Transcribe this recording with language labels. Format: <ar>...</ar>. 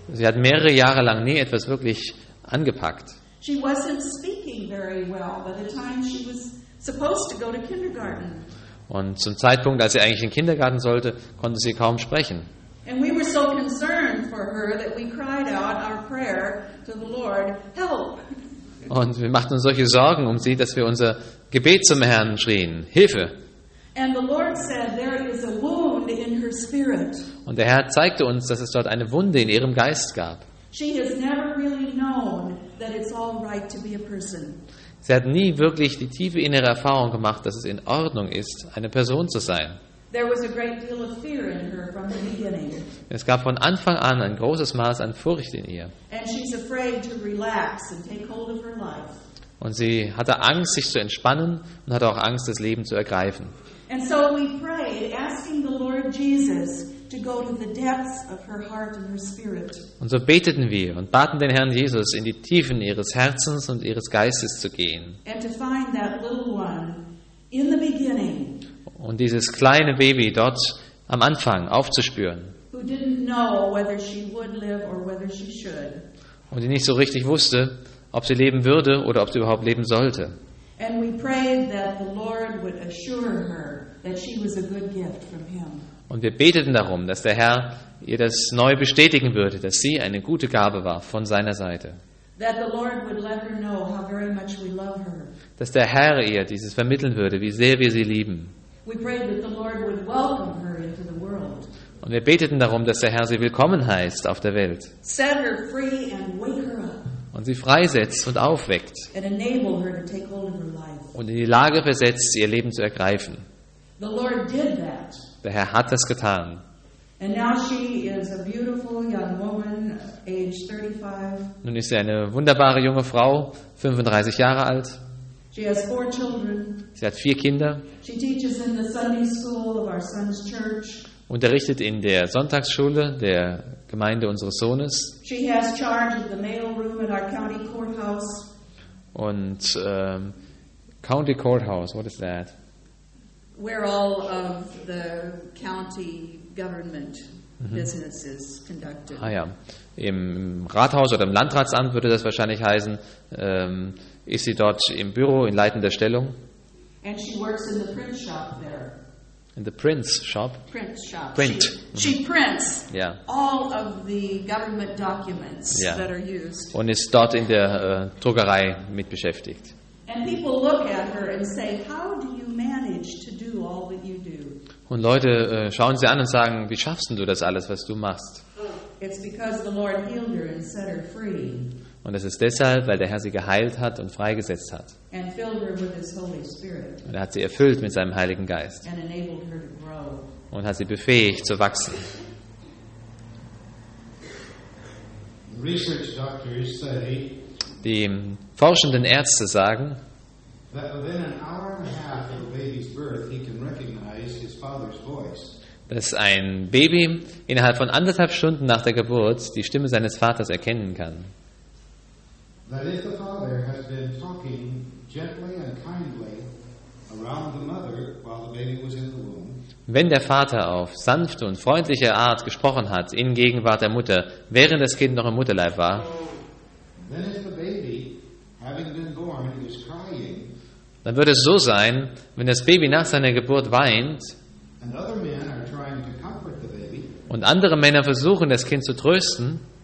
<de>Sie hat mehrere Jahre lang nie etwas wirklich angepackt.</de> <en>She wasn't speaking very well by the time she was supposed to go to kindergarten.</en> <de>Und zum Zeitpunkt, als sie eigentlich in den Kindergarten sollte, konnte sie kaum sprechen.</de> <en>And we were so concerned for her that we cried out our prayer to the Lord, help.</en> <de>Und wir machten uns solche Sorgen um sie, dass wir unser Gebet zum Herrn schrien, Hilfe.</de> <en>And the Lord said there is a wound in her spirit.</en> <de>Und der Herr zeigte uns, dass es dort eine Wunde in ihrem Geist gab.</de> <en>She has never really known that it's all right to be a person.</en> <de>Sie hat nie wirklich die tiefe innere Erfahrung gemacht, dass es in Ordnung ist, eine Person zu sein.</de> <en>There was a great deal of fear in her from the beginning.</en> <de>Es gab von Anfang an ein großes Maß an Furcht in ihr.</de> <en>And she's afraid to relax and take hold of her life.</en> <de>Und sie hatte Angst, sich zu entspannen und hatte auch Angst, das Leben zu ergreifen.</de> <en>And so we prayed, asking the Lord Jesus to go to the depths of her heart and her spirit.</en> <de>Und so beteten wir und baten den Herrn Jesus, in die Tiefen ihres Herzens und ihres Geistes zu gehen.</de> <en>And to find that little one in the beginning.</en> <de>Und dieses kleine Baby dort am Anfang aufzuspüren.</de> <en>Who didn't know whether she would live or whether she should.</en> <de>Und die nicht so richtig wusste, ob sie leben würde oder ob sie überhaupt leben sollte.</de> <en>And we prayed that the Lord would assure her that she was a good gift from him.</en> <de>Und wir beteten darum, dass der Herr ihr das neu bestätigen würde, dass sie eine gute Gabe war von seiner Seite.</de> <en>That the Lord would let her know how very much we love her.</en> <de>Dass der Herr ihr dieses vermitteln würde, wie sehr wir sie lieben.</de> <en>We prayed that the Lord would welcome her into the world.</en> <de>Und wir beteten darum, dass der Herr sie willkommen heißt auf der Welt.</de> <en>Set her free and wake her up.</en> <de>Und sie freisetzt und aufweckt.</de> <en>And enable her to take hold of her life.</en> <de>Und in die Lage versetzt, ihr Leben zu ergreifen.</de> <en>The Lord did that.</en> <de>Der Herr hat das getan.</de> <en>And now she is a beautiful young woman, age 35.</en> <de>Nun ist sie eine wunderbare junge Frau, 35 Jahre alt.</de> <en>She has 4 children.</en> <de>Sie hat 4 Kinder.</de> <en>She teaches in the Sunday school of our son's church.</en> <de>Unterrichtet in der Sonntagsschule der Gemeinde unseres Sohnes.</de> <en>She has charge of the mail room at our county courthouse. Und county courthouse, what is that? Where all of the county government business is conducted.</en> <de>Ah ja, im Rathaus oder im Landratsamt würde das wahrscheinlich heißen. Ist sie dort im Büro in leitender Stellung?</de> <en>And she works in the print shop there. in the Prince shop. Prince shop. Print. She prints yeah. all of the government documents yeah. that are used.</en> <de>Und ist dort in der Druckerei mit beschäftigt.</de> <en>And people look at her and say, how do you manage to do all that you do?</en> <de>Und Leute schauen sie an und sagen, wie schaffst du das alles, was du machst?</de> <en>It's because the Lord healed her and set her free.</en> <de>Und es ist deshalb, weil der Herr sie geheilt hat und freigesetzt hat.</de> <en>And filled her with his Holy Spirit.</en> <de>Und er hat sie erfüllt mit seinem Heiligen Geist.</de> <en>And enabled her to grow.</en> <de>Und hat sie befähigt zu wachsen.</de> <en>Research doctors say,</en> <de>die forschenden Ärzte sagen,</de> <en>that within an hour and a half of a baby's birth, he can recognize his father's voice.</en> <de>Dass ein Baby innerhalb von anderthalb Stunden nach der Geburt die Stimme seines Vaters erkennen kann.</de> <en>That if the father has been talking gently and kindly around the mother while the baby was in the womb.</en> <de>Wenn der Vater auf sanfte und freundliche Art gesprochen hat in Gegenwart der Mutter, während das Kind noch im Mutterleib war.</de> <en>Then if the baby, having been born, is crying.</en> <de>Dann würde es so sein, wenn das Baby nach seiner Geburt weint.</de> <en>And other men are trying to comfort the baby.</en> <de>Und andere Männer versuchen, das Kind zu trösten.</de>